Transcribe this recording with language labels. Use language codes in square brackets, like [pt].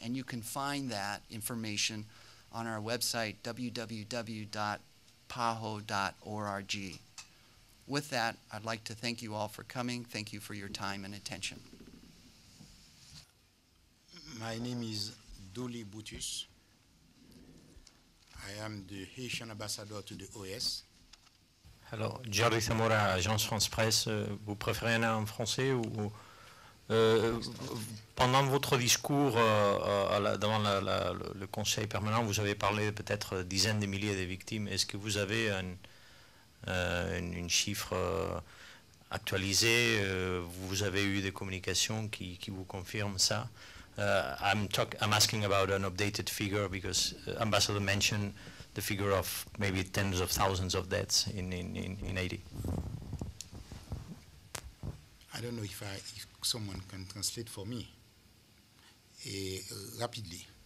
[en] And you can find that information on our website, www.paho.org. With that, I'd like to thank you all for coming. Thank you for your time and attention. My name is Dolly Boutus. I am the Haitian ambassador to the OAS. [fr] Alors, Jordi Samora, Agence France-Presse, vous préférez aller en français ou... pendant votre discours devant le Conseil permanent, vous avez parlé peut-être de dizaines de milliers de victimes. Est-ce que vous avez une chiffre actualisée? Vous avez eu des communications qui vous confirment ça? [en] I'm asking about an updated figure because Ambassador mentioned the figure of maybe tens of thousands of deaths in Haiti. I don't know if someone can translate for me rapidly.